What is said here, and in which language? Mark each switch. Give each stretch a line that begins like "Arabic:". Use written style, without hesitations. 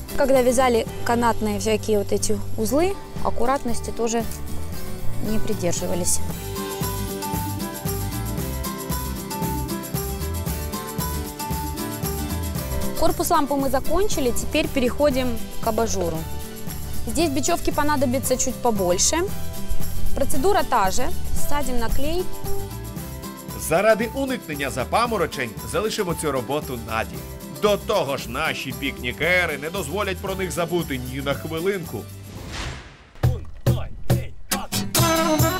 Ukrainian: Коли в'язали канатні всякі от ці узли, акуратності теж не придержувалися. Корпус лампи ми закінчили, тепер переходимо к абажуру.
Russian: Здесь бечевки понадобится чуть побольше. Процедура та же. Садим на клей.
Ukrainian: Заради уникнення запаморочень залишимо цю роботу Наді. До того ж, наші пікнікери не дозволять про них забути ні на хвилинку. 1, 2, 3, 4.